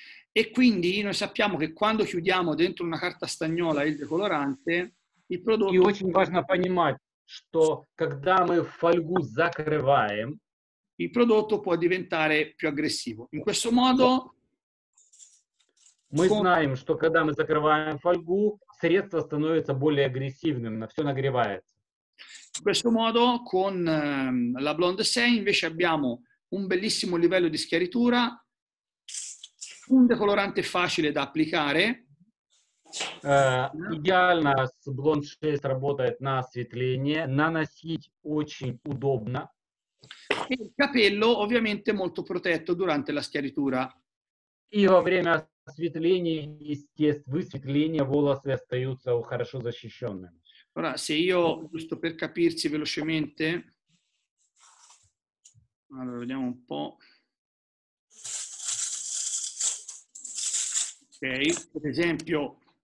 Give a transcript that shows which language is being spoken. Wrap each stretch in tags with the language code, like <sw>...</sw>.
<it>E quindi noi sappiamo che quando chiudiamo dentro una carta stagnola il decolorante, il prodotto...</it> <ru>И очень важно понимать, что когда мы фольгу закрываем,</ru> <it>il prodotto può diventare più aggressivo. In questo modo</it> <ru>мы знаем, что когда мы закрываем фольгу, средство становится более агрессивным, на все нагревается.</ru> <it>In questo modo con la Blonde 6 invece abbiamo un bellissimo livello di schiaritura, un decolorante facile da applicare.</it> <ru>Идеально с Blonde 6 работает на осветление, наносить очень удобно.</ru> <it>E il capello ovviamente molto protetto durante la schiaritura.</it> <ru>И во время осветления, естественно, высветления волосы остаются хорошо защищенными.</ru> <it>Ora, se io, giusto per capirci velocemente, allora vediamo un po'. Ok, per esempio.</it>